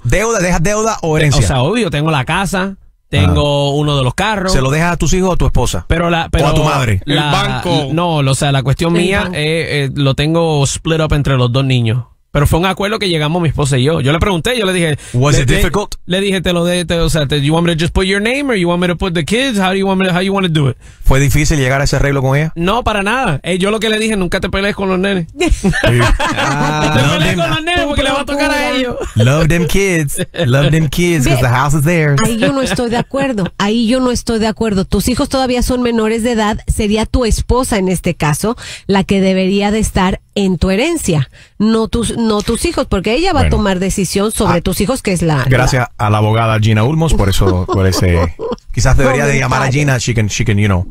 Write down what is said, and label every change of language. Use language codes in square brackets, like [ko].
[es] ¿Deuda, dejas deuda o herencia? O sea, obvio, tengo la casa, tengo uno de los carros. ¿Se lo dejas a tus hijos o a tu esposa? Pero o a tu madre. El banco. La cuestión mía es, lo tengo split up entre los dos niños. Pero fue un acuerdo que llegamos mi esposa y yo. Yo le pregunté, yo le dije... [en] ¿Was it difficult? [es] Le dije, [en] do you want me to just put your name or you want me to put the kids? How do you want to do it? [es] ¿Fue difícil llegar a ese arreglo con ella? No, para nada. Yo lo que le dije, nunca te pelees con los nenes. Te pelees con los nenes porque le va a tocar a ellos. [en] Love them kids, because the house is theirs. [es] Ahí yo no estoy de acuerdo. Tus hijos todavía son menores de edad. Sería tu esposa, en este caso, la que debería de estar en tu herencia, no tus hijos, porque ella va a tomar decisión sobre tus hijos, que es la... Gracias a la abogada Gina Ulmos, por ese... Quizás debería de llamar a Gina, [en] she can, you know.